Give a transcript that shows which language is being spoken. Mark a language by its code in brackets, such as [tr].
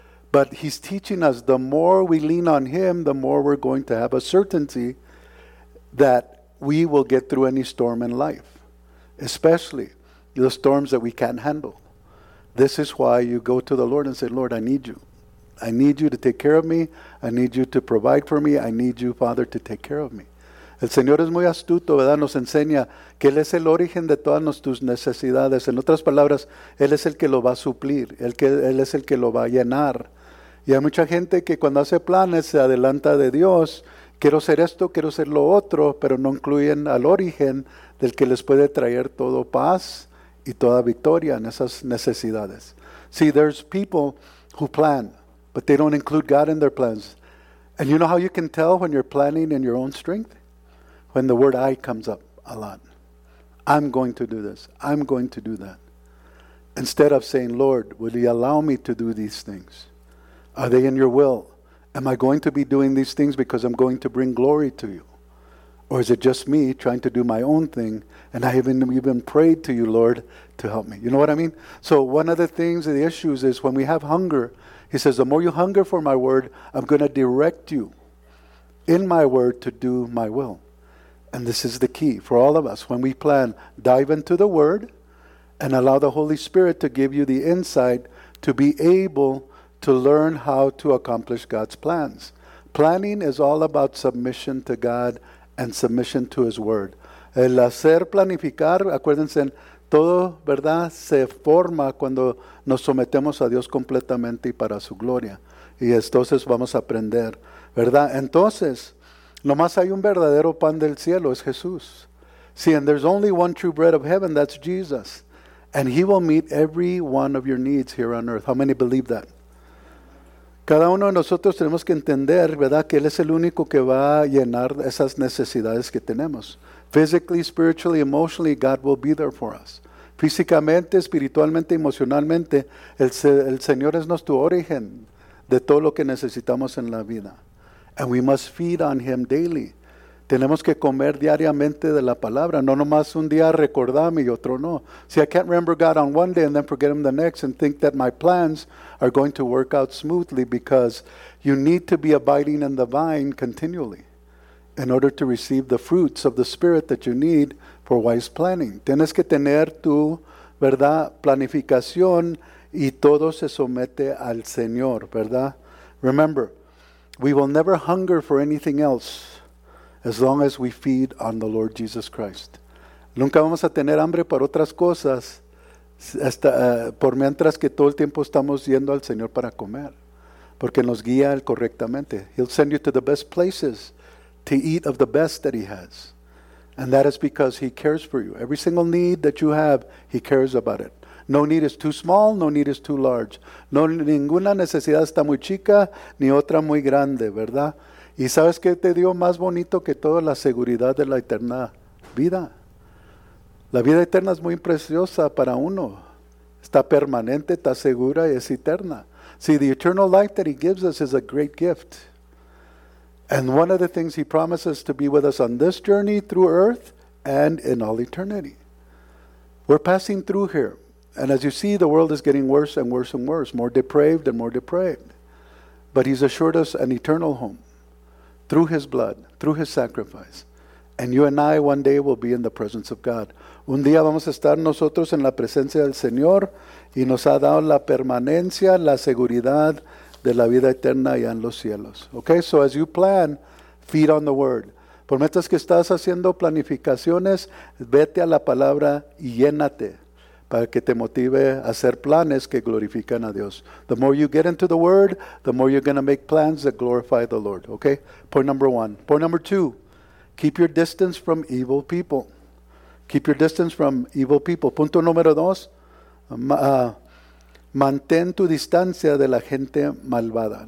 [en] But he's teaching us the more we lean on him, the more we're going to have a certainty that we will get through any storm in life, especially the storms that we can't handle. This is why you go to the Lord and say, Lord, I need you. I need you to take care of me. I need you to provide for me. I need you, Father, to take care of me. [es] El Señor es muy astuto, ¿verdad? Nos enseña que Él es el origen de todas nuestras necesidades. En otras palabras, Él es el que lo va a suplir. Él es el que lo va a llenar. Y hay mucha gente que cuando hace planes se adelanta de Dios. Quiero ser esto, quiero ser lo otro, pero no incluyen al origen del que les puede traer todo paz y toda victoria en esas necesidades. [en] See, there's people who plan, but they don't include God in their plans. And you know how you can tell when you're planning in your own strength? When the word I comes up a lot. I'm going to do this. I'm going to do that. Instead of saying, Lord, will you allow me to do these things? Are they in your will? Am I going to be doing these things because I'm going to bring glory to you? Or is it just me trying to do my own thing and I haven't even prayed to you, Lord, to help me? You know what I mean? So one of the things, the issues is when we have hunger, he says, the more you hunger for my word, I'm going to direct you in my word to do my will. And this is the key for all of us. When we plan, dive into the word and allow the Holy Spirit to give you the insight to be able to learn how to accomplish God's plans. Planning is all about submission to God and submission to his word. [es] El hacer planificar, acuérdense, todo, ¿verdad?, se forma cuando nos sometemos a Dios completamente y para su gloria. Y entonces vamos a aprender, ¿verdad? Entonces, nomás hay un verdadero pan del cielo, es Jesús. [en] See, and there's only one true bread of heaven, that's Jesus. And he will meet every one of your needs here on earth. How many believe that? [es] Cada uno de nosotros tenemos que entender, ¿verdad?, que Él es el único que va a llenar esas necesidades que tenemos. [en] Physically, spiritually, emotionally, God will be there for us. [es] Físicamente, espiritualmente, emocionalmente, el Señor es nuestro origen de todo lo que necesitamos en la vida. [en] And we must feed on Him daily. [es] Tenemos que comer diariamente de la palabra, no nomás un día recordarme y otro no. [en] See, I can't remember God on one day and then forget him the next and think that my plans are going to work out smoothly, because you need to be abiding in the vine continually in order to receive the fruits of the Spirit that you need for wise planning. [es] Tienes que tener tu, ¿verdad?, planificación, y todo se somete al Señor, ¿verdad? [en] Remember, we will never hunger for anything else as long as we feed on the Lord Jesus Christ. [es] Nunca vamos a tener hambre para otras cosas hasta, por mientras que todo el tiempo estamos yendo al Señor para comer, porque nos guía él correctamente. [en] He'll send you to the best places to eat of the best that he has. And that is because he cares for you. Every single need that you have, he cares about it. No need is too small, no need is too large. [es] No, ninguna necesidad está muy chica, ni otra muy grande, ¿verdad? ¿Y sabes qué te dio más bonito que todo? La seguridad de la eterna vida. La vida eterna es muy preciosa para uno. Está permanente, está segura y es eterna. [en] See, the eternal life that he gives us is a great gift. And one of the things he promises to be with us on this journey through earth and in all eternity. We're passing through here. And as you see, the world is getting worse and worse and worse, more depraved and more depraved. But he's assured us an eternal home through his blood, through his sacrifice. And you and I one day will be in the presence of God. [es] Un día vamos a estar nosotros en la presencia del Señor, y nos ha dado la permanencia, la seguridad de la vida eterna allá en los cielos. [en] Okay, so as you plan, feed on the word. [es] Por mientras que estás haciendo planificaciones, vete a la palabra y llénate, para que te motive a hacer planes que glorifican a Dios. [en] The more you get into the word, the more you're going to make plans that glorify the Lord. Okay, point number one. Point number two, keep your distance from evil people. Keep your distance from evil people. [es] Punto número dos, mantén tu distancia de la gente malvada.